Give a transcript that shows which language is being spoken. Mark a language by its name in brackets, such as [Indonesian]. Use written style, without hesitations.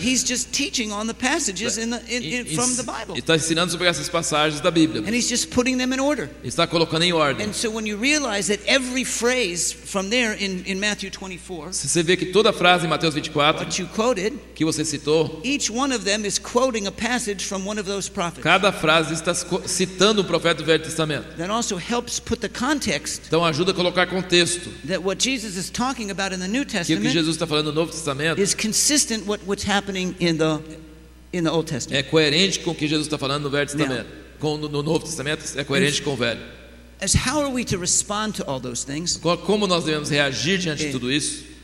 [English] He's just teaching on the passages from the Bible. [Portuguese] Está ensinando sobre essas passagens da Bíblia. [English] And he's just putting them in order. [Portuguese] Está colocando em ordem. [English] And so when you realize that every phrase from there in Matthew 24. [Portuguese] Se você vê que toda a frase em Mateus 24 que você citou, [English] each one of them is quoting a passage from one of those prophets. [Portuguese] Cada frase está citando um profeta do Velho Testamento. [English] That also helps put the context. [Portuguese] Então ajuda a colocar contexto. [English] That what Jesus is talking about in the New Testament. [Portuguese] Que o que Jesus está falando no Novo Testamento [English] is consistent with what's happening in the Old Testament. [Portuguese] É coerente com o que Jesus está falando no Velho Testamento. [English] Now, [Portuguese] no Novo Testamento é coerente com o Velho. [English] As how are we to respond to all those things? [Portuguese] Como nós devemos reagir diante de tudo isso?